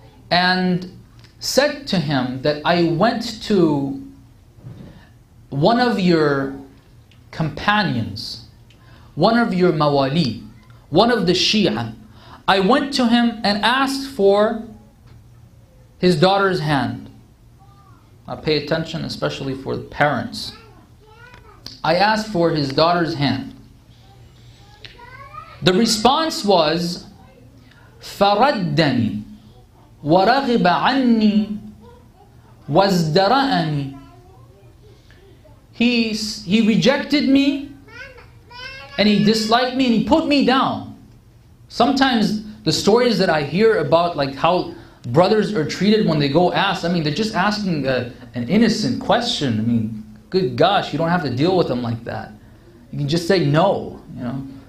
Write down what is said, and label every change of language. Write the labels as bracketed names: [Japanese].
[English] and said to him that I went to one of your companions, one of your mawali, one of the Shia. I went to him and asked for his daughter's hand. Now pay attention, especially for the parents. I asked for his daughter's hand. The response was, [Arabic] فَرَدَّنِي وَرَغِبَ عَنِّي وَازْدَرَأَنِي. [English] He rejected me, and he disliked me, and he put me down. Sometimes the stories that I hear about, like how brothers are treated when they go ask, I mean, they're just asking an innocent question. I mean, good gosh, you don't have to deal with them like that. You can just say no, you know.